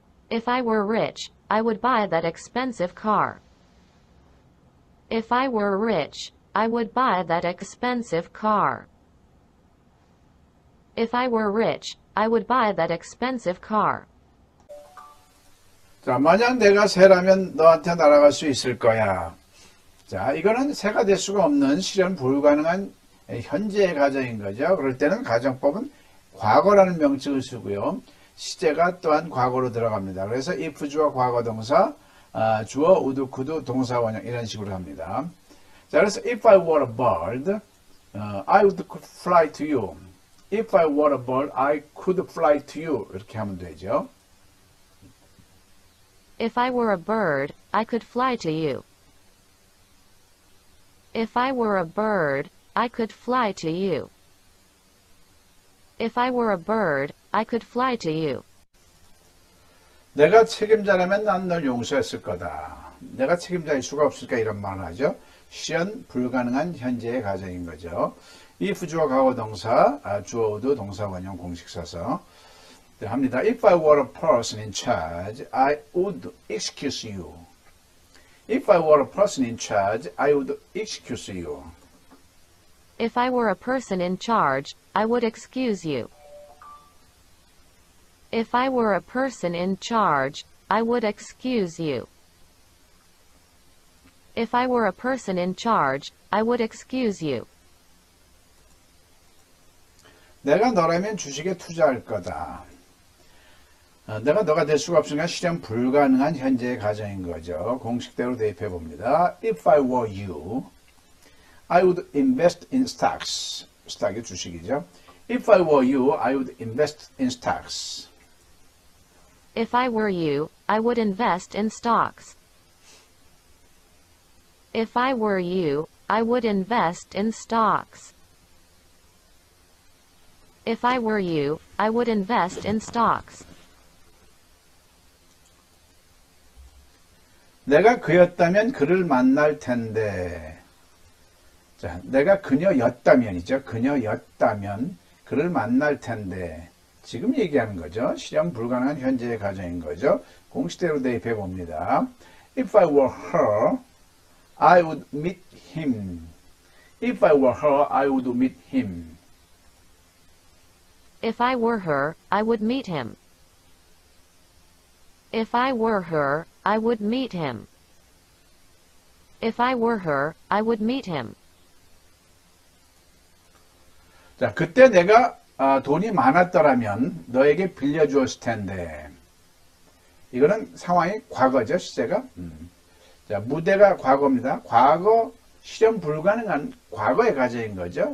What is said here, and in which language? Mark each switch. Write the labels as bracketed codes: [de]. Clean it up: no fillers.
[en] If I were rich, I would buy that expensive car. If I were rich, I would buy that expensive car. If I were rich, I would buy that expensive car. [ko] 자, 만약 내가 새라면 너한테 날아갈 수 있을 거야. 자, 이거는 새가 될 수가 없는 실현 불가능한 현재의 가정인 거죠. 그럴 때는 가정법은 과거라는 명칭을 쓰고요. 시제가 또한 과거로 들어갑니다. 그래서 if 주어 과거 동사, 주어 would, could 동사 원형 이런 식으로 합니다. 자, 그래서 [en] if I were a bird, I would could fly to you. If I were a bird, I could fly to you. [ko] 이렇게 하면 되죠. [en] If I were a bird, I could fly to you. If I were a bird, I could fly to you. If I were a bird, I could fly to you. [ko] 내가 책임자라면 난널 용서했을 거다. 내가 책임자일 수가 없을까 이런 말을 하죠. 실현 불가능한 현재의 가정인 거죠. if 주어 과거 동사, 주어 would 동사 원형 공식 써서 합니다. [en] If I were a person in charge, I would excuse you. If I were a person in charge, I would excuse you. If I were a person in charge, I would excuse you. If I were a person in charge, I would excuse you. If I were a person in charge, I would excuse you. [ko] 내가 너라면 주식에 투자할 거다. 내가 너가 될 수가 없으니까 실현 불가능한 현재의 가정인 거죠. 공식대로 대입해 봅니다. [en] If I were you, I would invest in stocks. [ko] 스탁이 주식이죠. [en] If I were you, I would invest in stocks. If I were you, I would invest in stocks. If I were you, I would invest in stocks. If I were you, I would invest in stocks. [ko] 내가 그였다면 그를 만날 텐데. 자, 내가 그녀였다면이죠. 그녀였다면 그를 만날 텐데. 지금 얘기하는 거죠. 실현 불가능한 현재의 가정인 거죠. 공식대로 대입해 봅니다. [en] If I were her, I would meet him. If I were her, I would meet him. If I were her, I would meet him. If I were her, I would meet him. If I were her, I would meet him. [ko] 자, 그때 내가 돈이 많았더라면 너에게 빌려주었을 텐데. 이거는 상황이 과거죠, 시제가. 자, 무대가 과거입니다. 과거 실현 불가능한 과거의 가정인 거죠.